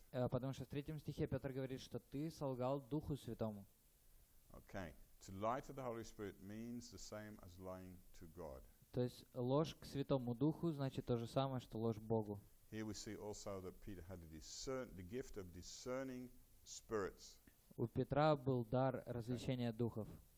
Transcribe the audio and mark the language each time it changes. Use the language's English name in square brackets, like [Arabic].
[Russian] Потому что в третьем стихе Петр говорит, что ты солгал Духу Святому. [English] Okay. To lie to the Holy Spirit means the same as lying to God. [Russian] То есть ложь к Святому Духу значит то же самое, что ложь Богу. У Петра был дар различения духов.